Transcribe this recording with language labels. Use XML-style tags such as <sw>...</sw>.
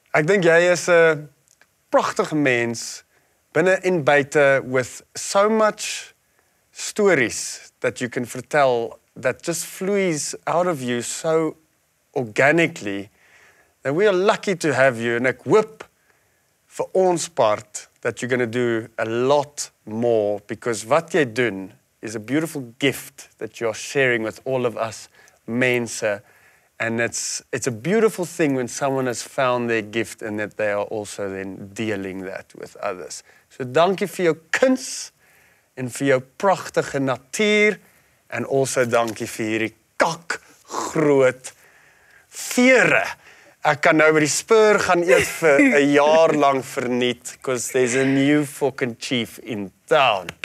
<af>Ek dink jy is 'n pragtige mens. Binnen en buiten,</af> <en>with so much stories that you can</en> <af>vertel,</af> <en>that just flows out of you so organically, that we are lucky to have you. And</en> <af>ek hoop vir ons part,</af> <en>that you're going to do a lot more, because</en> <af>wat jy doen is</af> <en>a beautiful gift that you're sharing with all of us</en> <af>mense.</af> <en>And it's a beautiful thing when someone has found their gift and that they are also then dealing that with others.</en> <af>So dankie vir jou kuns en vir jou pragtige natuur en</af> <en>also</en> <af>dankie vir hierdie kak groot vere. Ek kan nou by die spur gaan eet vir 'n jaar lank verniet</af> <en>because there's a new fucking chief in town.</en>